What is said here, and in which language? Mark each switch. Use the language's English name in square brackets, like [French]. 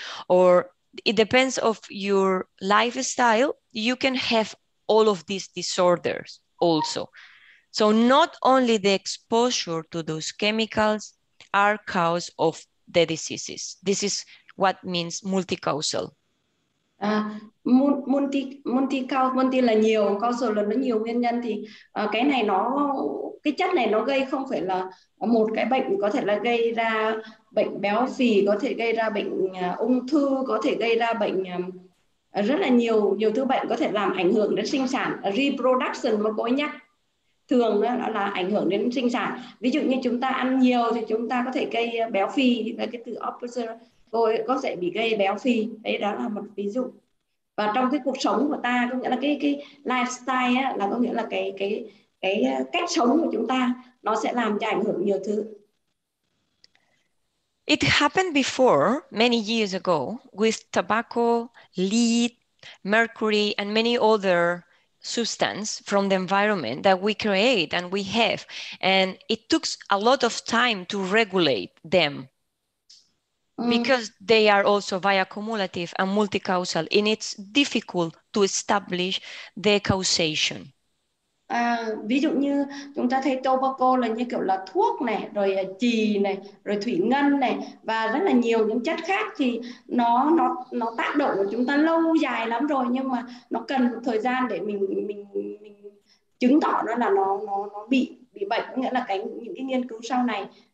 [English] Or it depends of your lifestyle, you can have all of these disorders also. So not only the exposure to those chemicals are cause of the diseases. This is what means multicausal. [Vietnamese] Multi là nhiều, causal là nó nhiều nguyên nhân, thì cái này nó, cái chất này nó gây không phải là một cái bệnh, có thể là gây ra bệnh béo phì, có thể gây ra bệnh ung thư, có thể gây ra bệnh rất là nhiều thứ bệnh, có thể làm ảnh hưởng đến sinh sản, reproduction mà cô ấy nhắc. Thường đó là ảnh hưởng đến sinh sản. Ví dụ như chúng ta ăn nhiều thì chúng ta có thể gây béo phì, là cái từ obesity, cô ấy có thể bị gây béo phì. Đấy, đó là một ví dụ. Và trong cái cuộc sống của ta, có nghĩa là cái lifestyle á, là có nghĩa là cái cách sống của chúng ta, nó sẽ làm cho ảnh hưởng nhiều thứ. [English] It happened before, many years ago, with tobacco, lead, mercury, and many other substance from the environment that we create and we have, and it took a lot of time to regulate them because they are also bioaccumulative and multicausal, and it's difficult to establish the causation. [Vietnamese] Ví dụ như chúng ta thấy tobacco là như kiểu là thuốc này, rồi chì này, rồi thủy ngân này, và rất là nhiều những chất khác, thì nó tác động của chúng ta lâu dài lắm rồi, nhưng mà nó cần thời gian để mình chứng tỏ nó là nó bị bệnh, nghĩa là những cái nghiên cứu sau này.